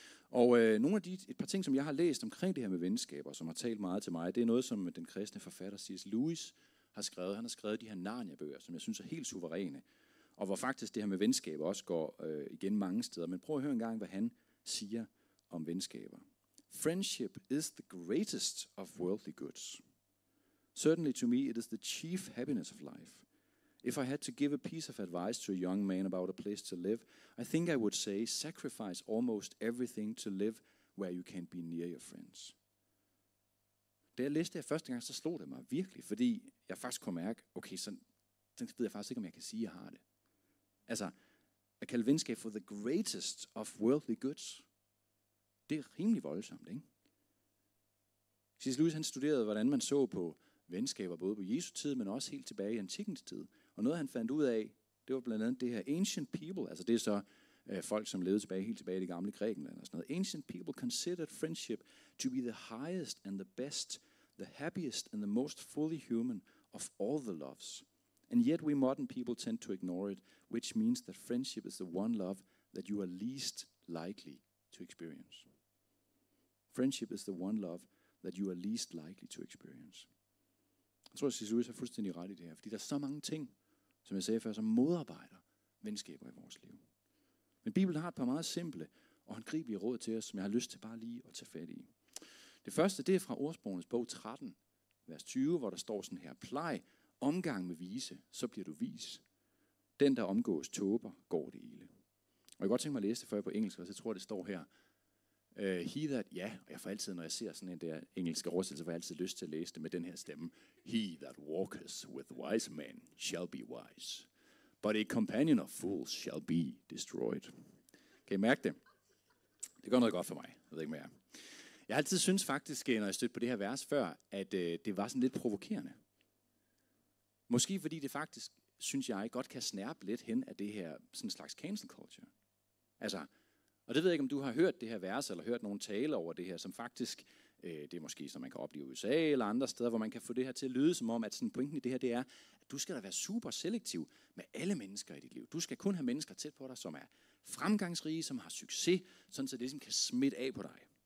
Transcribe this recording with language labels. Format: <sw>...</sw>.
<da>Og nogle af de et par ting, som jeg har læst omkring det her med venskaber, som har talt meget til mig, det er noget, som den kristne forfatter C.S. Lewis har skrevet. Han har skrevet de her Narnia-bøger, som jeg synes er helt suveræne. Og hvor faktisk det her med venskaber også går igen mange steder. Men prøv at høre en gang, hvad han siger om venskaber.</da> <en>Friendship is the greatest of worldly goods. Certainly to me it is the chief happiness of life. If I had to give a piece of advice to a young man about a place to live, I think I would say sacrifice almost everything to live where you can be near your friends.</en> <da>Da jeg læste det første gang, så slog det mig virkelig, fordi jeg faktisk kunne mærke, okay, så ved jeg faktisk ikke, om jeg kan sige, at jeg har det. Altså, at kalde venskab for</da> <en>the greatest of worldly goods,</en> <da>det er rimelig voldsomt, ikke? C.S. Lewis, han studerede, hvordan man så på venskaber, både på Jesu tid, men også helt tilbage i antikkens tid. Og noget, han fandt ud af, det var blandt andet det her ancient people, altså det er så folk, som levede tilbage helt tilbage i det gamle Grækenland og sådan noget.</da> <en>Ancient people considered friendship to be the highest and the best, the happiest and the most fully human of all the loves. And yet we modern people tend to ignore it, which means that friendship is the one love that you are least likely to experience. Friendship is the one love that you are least likely to experience.</en> <da>Jeg tror, at C.S. Lewis har fuldstændig ret i det her, fordi der er så mange ting, som jeg sagde før, som modarbejder venskaber i vores liv. Men Bibelen har et par meget simple og håndgribelige råd til os, som jeg har lyst til bare lige at tage fat i. Det første, det er fra Ordsprogenes bog 13, vers 20, hvor der står sådan her, plej omgang med vise, så bliver du vis. Den, der omgås tåber, går det ilde. Og jeg kan godt tænke mig at læse det før på engelsk, og så tror jeg, det står her. He that, ja, og jeg får altid, når jeg ser sådan en der engelske oversættelse, så får jeg altid lyst til at læse det med den her stemme.</da> <en>He that walketh with wise men shall be wise, but a companion of fools shall be destroyed.</en> <da>Kan I mærke det? Det gør noget godt for mig, jeg ved ikke mere. Jeg har altid synes faktisk, når jeg stødte på det her vers før, at det var sådan lidt provokerende. Måske fordi det faktisk, synes jeg, godt kan snærpe lidt hen af det her sådan en slags cancel culture. Altså, og det ved jeg ikke, om du har hørt det her vers, eller hørt nogen tale over det her, som faktisk, det er måske, som man kan opleve i USA eller andre steder, hvor man kan få det her til at lyde som om, at sådan pointen i det her, det er, at du skal da være super selektiv med alle mennesker i dit liv. Du skal kun have mennesker tæt på dig, som er fremgangsrige, som har succes, sådan så det ligesom kan smitte af på dig.</da>